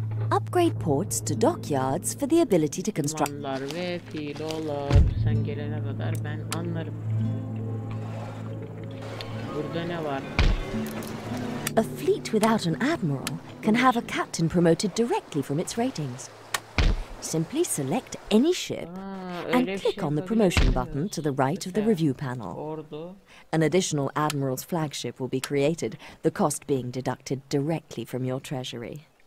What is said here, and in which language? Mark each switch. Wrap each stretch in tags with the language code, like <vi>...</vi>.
<en>Upgrade ports to dockyards for the ability to construct.</en> <tr>Manlar ve filolar. Sen gelene kadar ben anlarım. Burada ne var?</tr> <en>A fleet without an admiral can have a captain promoted directly from its ratings. Simply select any ship and click on the promotion button to the right of the review panel. An additional admiral's flagship will be created, the cost being deducted directly from your treasury.</en>